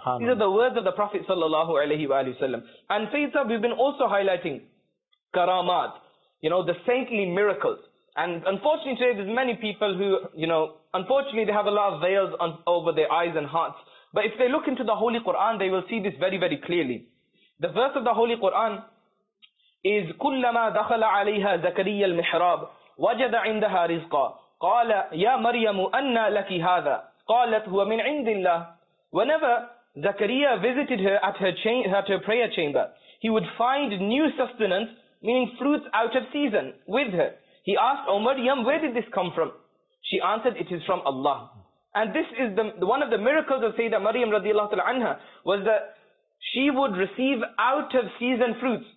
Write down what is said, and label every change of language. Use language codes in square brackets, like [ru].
[en] These are the words of the Prophet sallallahu alayhi wa sallam. And Sayyid Sahib, we've been also highlighting karamat, you know, the saintly miracles. And unfortunately today there's many people who, you know, unfortunately they have a lot of veils on, over their eyes and hearts. But if they look into the Holy Quran, they will see this very, very clearly. The verse of the Holy Quran is, [ar] كُلَّمَا دَخَلَ عَلَيْهَا زَكَرِيَّ الْمِحْرَابِ وَجَدَ عِنْدَهَا رِزْقًا قال يا مريم أنى لك هذا قالت هو من عند الله. [en] Whenever Zakaria visited her at her prayer chamber, he would find new sustenance, meaning fruits out of season, with her. He asked, O Maryam, where did this come from? She answered, it is from Allah. And this is the one of the miracles of Sayyidah Maryam radiallahu ta'ala anha, was that she would receive out of season fruits.